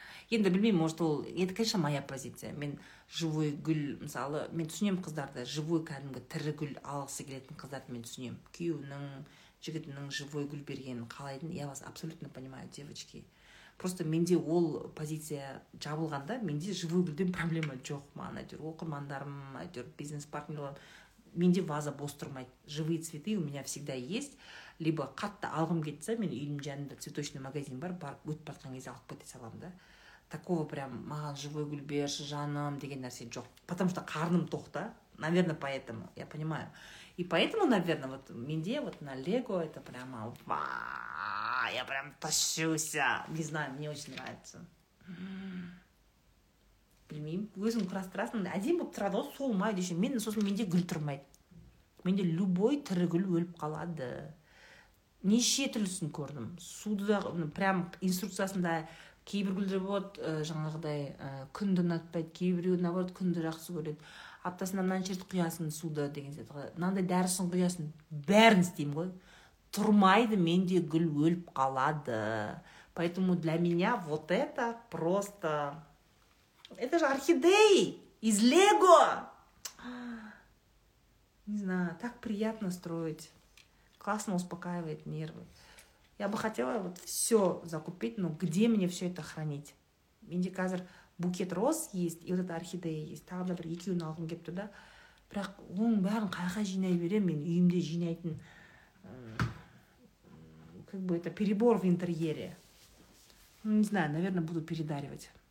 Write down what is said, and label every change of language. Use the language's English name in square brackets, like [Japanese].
[Kazakh] Енді білмеймін, может, ол, енді, конечно, [Russian] моя позиция. [Kazakh] Мен живой гүл, мысалы, мен түсінем қыздарды, живой кәдімгі тірі гүл алғысы келетін қыздарды мен түсінем. Күйеуінің, жігітінің живой гүл бергенін қалайтын, [Russian] я вас абсолютно понимаю, девочки. [Kazakh] Просто менде ол позиция жабылғанда, менде живой гүлден проблема жоқ, маған әйтеуір оқырмандарым, әйтеуір бизнес-партнерлерім. Менде ваза бос тұрмайды. [Russian] Живые цветы у меня всегда есть. [Kazakh] Либо қатты алғым кетсе, мен үйім жанында цветочный магазин бар, өтіп жатқан кезде алып кете саламын да. [Russian] Такого прям [Kazakh] маған живой гүл берші жаным деген нәрсе жоқ. [Russian] Потому что [Kazakh] қарным тоқта. [Russian] Наверное, поэтому. Я понимаю. И поэтому, наверное, вот менде вот на Лего это прямо я прям тащуся. Не знаю, мне очень нравится. [Kazakh] Білмеймін. Өзім құрастырасың. Әдемі болып тұрады ғой, сол май деген. Мен сосын менде гүл тұрмайды. Менде любой тірі гүл өліп қалады. Неше түрлісін көрдім. Суды да прям инструкциясында кейбір гүлдер болады, жаңағыдай күнді ұнатпайды, кейбіреуі наоборот күнді жақсы көреді. Аптасына мынанша рет құясың суды деген сияқты. Мынандай дәрісін құясың. Бәрін істеймін ғой. Тұрмайды, менде гүл өліп қалады. [Russian] Поэтому для меня вот это просто. Это же орхидеи из Лего. Не знаю, так приятно строить. Классно успокаивает нервы. Я бы хотела вот все закупить, но где мне все это хранить? [Kazakh] Менде қазір [Russian] букет роз есть, и вот эта орхидея есть. [Kazakh] Тағы да бір екеуін алғым келіп тұр да. Бірақ оның бәрін қайға жинай беремін, мен үйімде жинайтын. [Russian] Как бы это перебор в интерьере. Ну, не знаю, наверное, буду передаривать.